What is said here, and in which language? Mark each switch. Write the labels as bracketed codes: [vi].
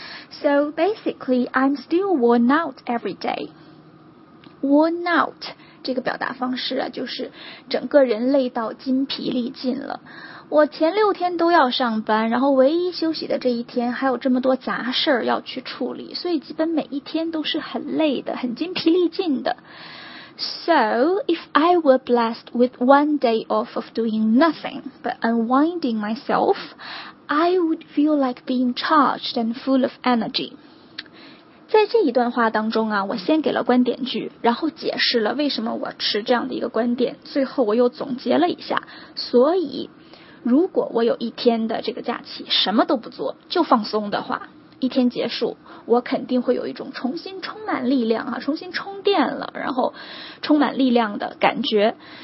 [en] So basically, I'm still worn out every day. Worn out [zh] 这个表达方式啊，就是整个人累到筋疲力尽了。我前六天都要上班，然后唯一休息的这一天还有这么多杂事儿要去处理，所以基本每一天都是很累的，很筋疲力尽的。 [en] So, if I were blessed with one day off of doing nothing but unwinding myself, I would feel like being charged and full of energy. [zh] 在这一段话当中啊，我先给了观点句，然后解释了为什么我持这样的一个观点，最后我又总结了一下。所以如果我有一天的这个假期什么都不做就放松的话，一天结束我肯定会有一种重新充满力量啊，重新充电了，然后充满力量的感觉。